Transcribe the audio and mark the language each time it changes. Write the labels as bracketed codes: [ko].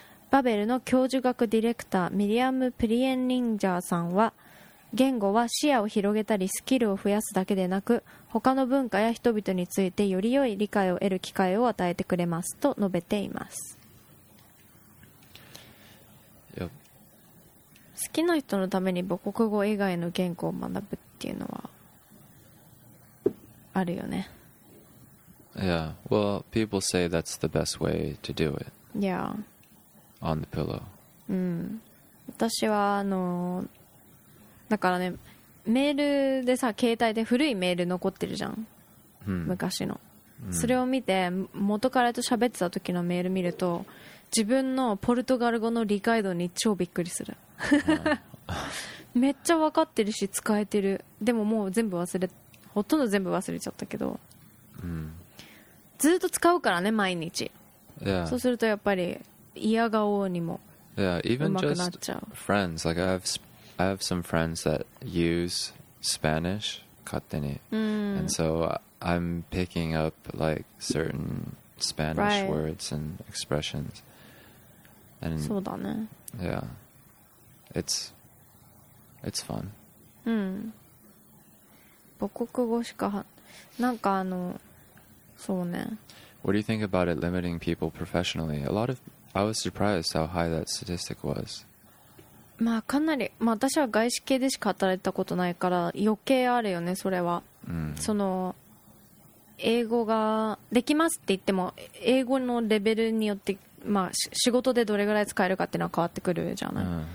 [ja] バベルの教授学ディレクターミリアム・プリエンリンジャーさんは、言語は視野を広げたりスキルを増やすだけでなく、他の文化や人々についてより良い理解を得る機会を与えてくれますと述べています。 [en] Yep. [ja] 好きな人のために母国語以外の言語を学ぶっていうのはあるよね。 [en] Yeah, well, people say that's the best way to do it. Yeah. On the pillow. [ja] うん。私はだからね、メールでさ、携帯で古いメール残ってるじゃん、昔の。それを見て、元彼と喋ってた時のメール見ると、自分のポルトガル語の理解度に超びっくりする。めっちゃ分かってるし、使えてる。でももう全部忘れ、ほとんど全部忘れちゃったけど。ずっと使うからね、毎日。 [en] Yeah. [ja] そうするとやっぱり、嫌顔にも上手くなっちゃう。 [en] Yeah, even just friends, like I have some friends that use Spanish, [ja] 勝手に. [en] And so I'm picking up like certain Spanish right. words and expressions. [ja] And そうだね. [en] Yeah, it's fun. [ja] 母国語しか、なんかそうね. [en] What do you think about it limiting people professionally? I was surprised how high that statistic was. [ja] まあかなり、まあ、私は外資系でしか働いたことないから余計あるよね、それは。その英語ができますって言っても英語のレベルによって、まあ、仕事でどれぐらい使えるかっていうのは変わってくるじゃない。